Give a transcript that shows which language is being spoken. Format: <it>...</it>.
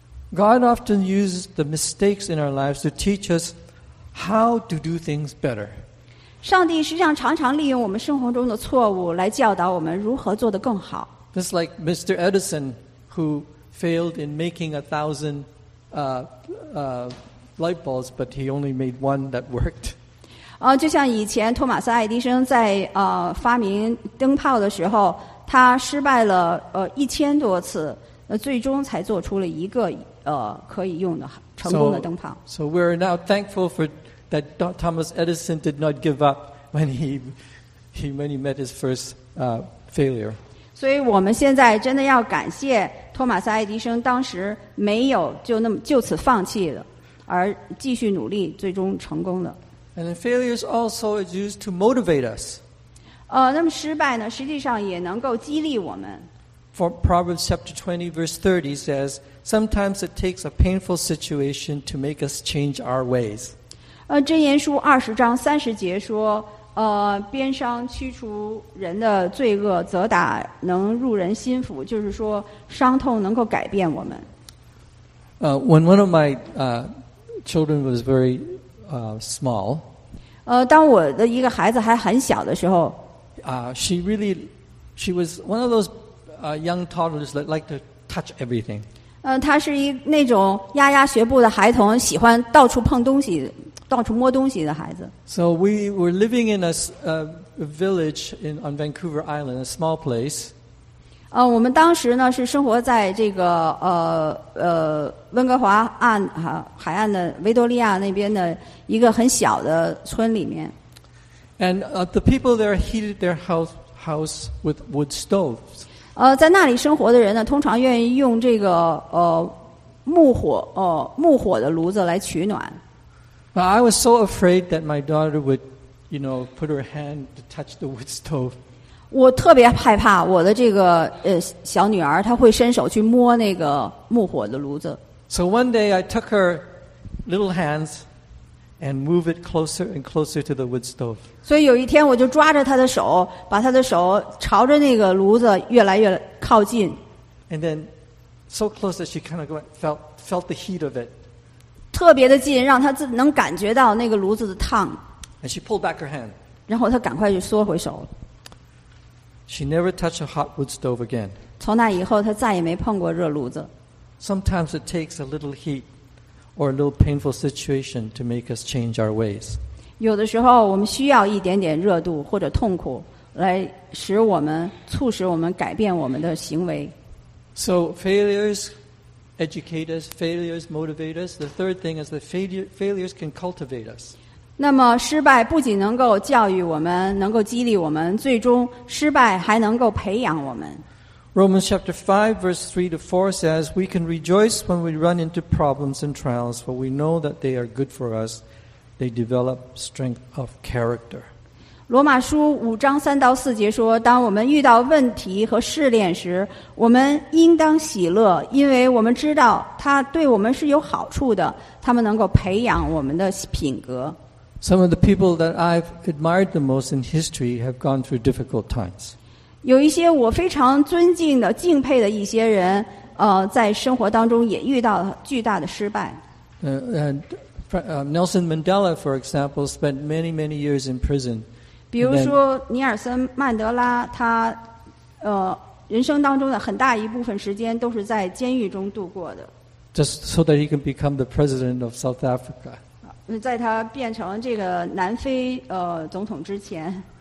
<en>God often uses the mistakes in our lives to teach us how to do things better.</en> <zh>上帝实际上常常利用我们生活中的错误来教导我们如何做得更好。</zh> <en>It's like Mr. Edison who failed in making 1,000 light bulbs, but he only made one that worked.</en> <zh>就像以前托马斯爱迪生在发明灯泡的时候，他失败了1000多次，最终才做出了一个。可以用的成功的灯泡。</zh> <en>So we are now thankful for that Thomas Edison did not give up when he met his first failure.</en> <zh>所以我们现在真的要感谢托马斯爱迪生当时没有就那么就此放弃了，而继续努力，最终成功了。</zh> <en>And failures also is used to motivate us.</en> <zh>那么失败呢，实际上也能够激励我们。</zh> <en>For Proverbs chapter 20 verse 30 says, "Sometimes it takes a painful situation to make us change our ways."</en> <zh>箴言书二十章三十节说，鞭伤驱除人的罪恶，责打能入人心腹，就是说伤痛能够改变我们。</zh> <en>When one of my children was very small,</en> <zh>当我的一个孩子还很小的时候，</zh> <en>she was one of those young toddlers that like to touch everything.</en> <zh>她是一那种牙牙学步的孩童，喜欢到处碰东西，到处摸东西的孩子。</zh> <en>So we were living in a village on Vancouver Island, a small place.</en> <zh>我们当时呢是生活在这个温哥华岸海岸的维多利亚那边的一个很小的村里面。</zh> <en>And the people there heated their house with wood stoves.</en> <zh>在那里生活的人呢，通常愿意用这个木火的炉子来取暖。</zh> <en>But I was so afraid that my daughter would, you know, put her hand to touch the wood stove.</en> <zh>我特别害怕我的这个小女儿，她会伸手去摸那个木火的炉子。</zh> <en>So one day I took her little hands and moved it closer and closer to the wood stove.</en> <zh>所以有一天我就抓着她的手，把她的手朝着那个炉子越来越靠近。</zh> <en>And then so close that she kind of felt the heat of it.</en> <zh>特别的近，让他自能感觉到那个炉子的烫。</zh> <en>And she pulled back her hand.</en> <zh>然后他赶快就缩回手。</zh> <en>She never touched a hot wood stove again.</en> <zh>从那以后，他再也没碰过热炉子。</zh> <en>Sometimes it takes a little heat or a little painful situation to make us change our ways.</en> <zh>有的时候，我们需要一点点热度或者痛苦来使我们促使我们改变我们的行为。</zh> <en>So failures. Educate us, failures motivate us. The third thing is that failures can cultivate us.</en> <zh>那么失败不仅能够教育我们，能够激励我们，最终失败还能够培养我们。</zh> <en>Romans chapter 5, verse 3 to 4 says, We can rejoice when we run into problems and trials, for we know that they are good for us. They develop strength of character.</en> <zh>罗马书五章三到四节说，当我们遇到问题和试炼时，我们应当喜乐，因为我们知道它对我们是有好处的，它们能够培养我们的品格。</zh> <en>Some of the people that I've admired the most in history have gone through difficult times.</en> <zh>有一些我非常尊敬的、敬佩的一些人，在生活当中也遇到了巨大的失败。</zh> <en>Nelson Mandela, for example, spent many, many years in prison.</en> <zh>比如说尼尔森曼德拉他人生当中的很大一部分时间都是在监狱中度过的。</zh> <en>Just so that he can become the president of South Africa.</en> <zh>在他变成这个南非总统之前。</zh>